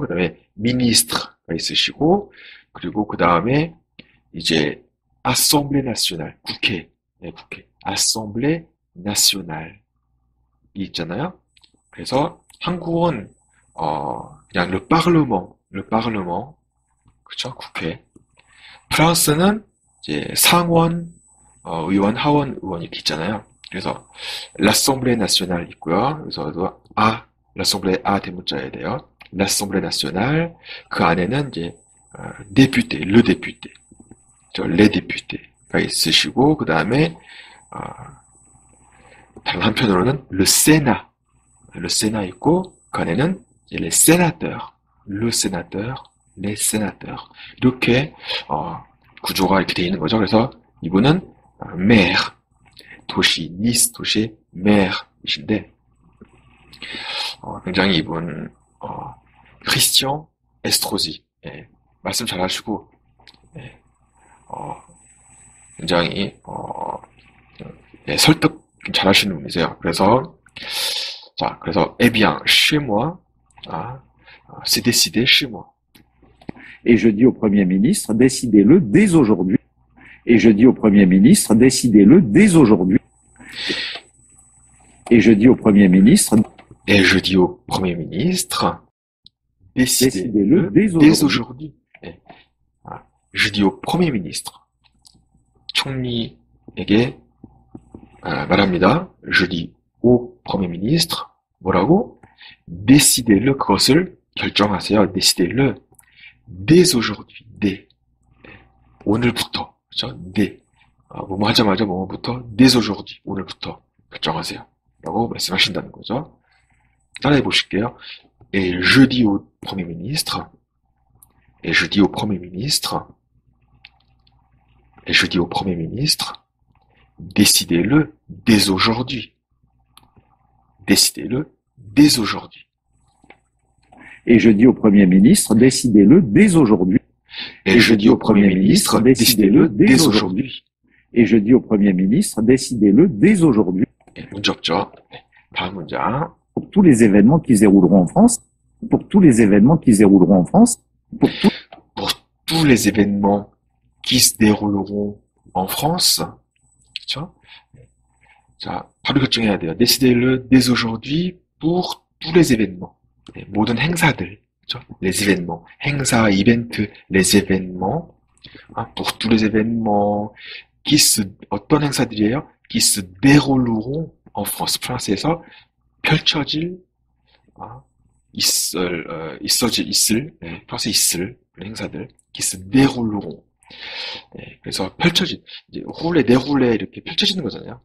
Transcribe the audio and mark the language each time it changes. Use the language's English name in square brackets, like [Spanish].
[Korean] 그다음에 ministre가 있으시고 그리고 그다음에 이제 assemblée nationale, 국회, 네, 국회, assemblée nationale 있잖아요. 그래서 한국은 그냥 le parlement, 그렇죠? 국회. 프랑스는 이제 상원 의원, 하원 의원이 있잖아요. 그래서 l'assemblée nationale 있고요. 그래서 아 l'assemblée a 대문자에 대요. l'assemblée nationale 그 안에는 이제 député, le député, 저 les députés가 있으시고 그 다음에 다른 한편으로는 le Sénat 있고 그 안에는 이제 les sénateurs, le sénateur, les sénateurs 이렇게 구조가 이렇게 돼 있는 거죠. 그래서 이분은 maire, 도시, 니스 도시의 maire이신데 굉장히 이분 Christian Estrosi 예, 말씀 잘하시고 예, 굉장히 예, 설득 잘하시는 분이세요. 그래서 자, 그래서 [French] eh bien, chez moi, c'est décidé chez moi. Et je dis au Premier ministre, décidez-le dès aujourd'hui. Et je dis au Premier ministre, décidez-le dès aujourd'hui. Et je dis au Premier ministre, Et je dis au Premier ministre, décidez-le décidez-le dès dès aujourd'hui. aujourd'hui. Je dis au Premier ministre, [Korean] 총리에게 말합니다. [French] Je dis au Premier ministre, [Korean] 뭐라고? [French] Décidez-le, [Korean] 그것을 결정하세요. [French] Décidez-le dès aujourd'hui, dès [Korean] 오늘부터, 그렇죠? Dès 뭐뭐 하자마자 뭐뭐부터, [French] dès aujourd'hui, [Korean] 오늘부터 결정하세요.라고 말씀하신다는 거죠. 따라해 보실게요. [French] Et je dis au Premier ministre, et je dis au Premier ministre, et je dis au Premier ministre, décidez-le dès aujourd'hui. Décidez-le dès aujourd'hui. Et je dis au Premier ministre, décidez-le dès aujourd'hui. Et je je dis dis au au Premier Premier ministre, ministre, décidez-le décidez-le dès aujourd'hui. aujourd'hui. Et je dis au Premier ministre, décidez-le dès aujourd'hui. [Korean] Et 문제 없죠? 다음 문제. [French] Pour tous les événements qui se dérouleront en France, pour tous les événements qui se dérouleront en France, pour tous. Tous les événements qui se dérouleront en France, tiens, ça, [Korean] 바로 결정해야 돼요. [French] Décidez-le dès aujourd'hui pour tous les événements, [Korean] 네, 모든 행사들, 그렇죠? [French] Les événements, 행사, 이벤트, les événements, pour tous les événements qui se, [Korean] 어떤 행사들이에요? [French] Qui se dérouleront en France, [Korean] 프랑스에서 펼쳐질, 있을, 네, 프랑스에 있을 행사들. [French] qui se dérouleront. [Korean] 네, 그래서 펼쳐진 이제 roulé, déroulé 이렇게 펼쳐지는 거잖아요.